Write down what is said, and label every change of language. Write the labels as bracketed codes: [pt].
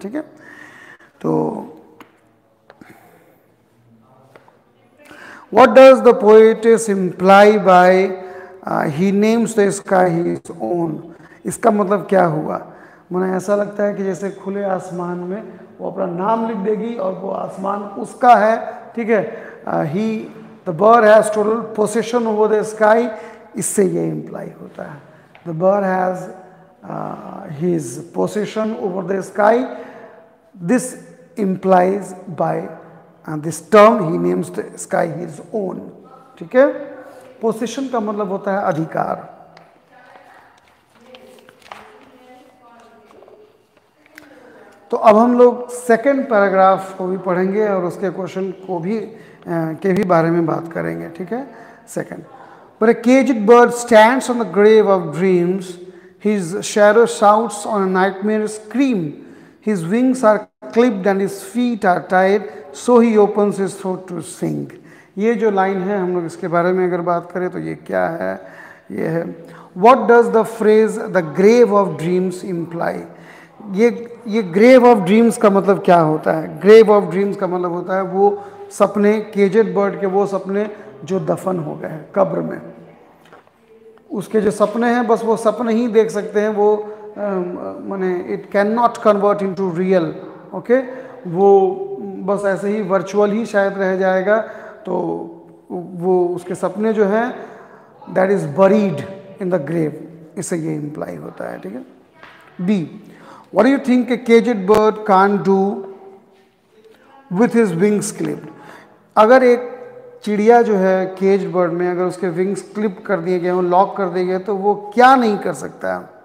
[hi] ठीक है, तो [en] what does the poetess imply by he names the sky his own, [hi] इसका मतलब क्या हुआ? मुझे ऐसा लगता है कि जैसे खुले आसमान में वो अपना नाम लिख देगी और वो आसमान उसका है। ठीक है, [en] he the bird has total possession over the sky, [hi] इससे ये imply होता है. [en] The bird has his possession over the sky. This implies by this term he names the sky his own. [hi] ठीक है, possession का मतलब होता है अधिकार. तो अब हम लोग सेकेंड पैराग्राफ को भी पढ़ेंगे और उसके क्वेश्चन को भी के भी बारे में बात करेंगे. ठीक है, second. [en] But a caged bird stands on the grave of dreams. His shadow shouts on a nightmare's scream. His wings are clipped and his feet are tied. So he opens his throat to sing. [hi] ये जो line है, हम लोग इसके बारे में अगर बात करें तो ये क्या है? ये है, [en] What does the phrase the grave of dreams imply? [hi] ये ग्रेव ऑफ ड्रीम्स का मतलब क्या होता है? ग्रेव ऑफ ड्रीम्स का मतलब होता है वो सपने, केजेड बर्ड के वो सपने जो दफन हो गए हैं कब्र में. उसके जो सपने हैं बस वो सपने ही देख सकते हैं वो, माने [en] It can not convert into real. [hi] Okay, वो बस ऐसे ही वर्चुअल ही शायद रह जाएगा. तो वो उसके सपने जो हैं [en] that is buried in the grave, [hi] इसे ये इम्प्लाई होता है. ठीक है, B. [en] What do you think a caged bird can't do with his wings clipped? [hi] अगर एक चिड़िया जो है caged bird में अगर उसके wings clipped कर दिए गए हों, lock कर दिए गए, तो वो क्या नहीं कर सकता?